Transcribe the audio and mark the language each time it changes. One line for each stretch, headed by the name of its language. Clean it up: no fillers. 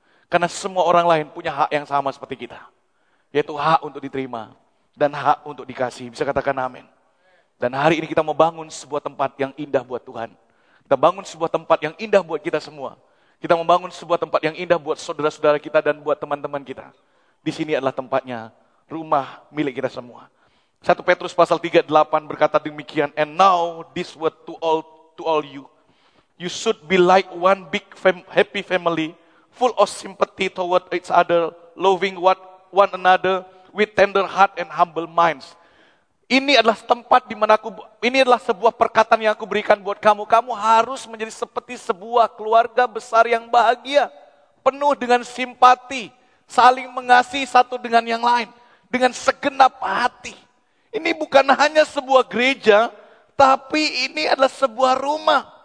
Indonesian: Karena semua orang lain punya hak yang sama seperti kita. Yaitu hak untuk diterima dan hak untuk dikasihi. Bisa katakan amin. Dan hari ini kita mau bangun sebuah tempat yang indah buat Tuhan. Kita bangun sebuah tempat yang indah buat kita semua. Kita membangun sebuah tempat yang indah buat saudara-saudara kita dan buat teman-teman kita. Di sini adalah tempatnya, rumah milik kita semua. 1 Petrus pasal 3, 8 berkata demikian,
English: and now this word to all you. You should be like one big happy family, full of sympathy toward each other, loving what one another with tender heart and humble minds.
Indonesian: Ini adalah tempat di mana ini adalah sebuah perkataan yang aku berikan buat kamu. Kamu harus menjadi seperti sebuah keluarga besar yang bahagia, penuh dengan simpati, saling mengasihi satu dengan yang lain dengan segenap hati. Ini bukan hanya sebuah gereja, tapi ini adalah sebuah rumah.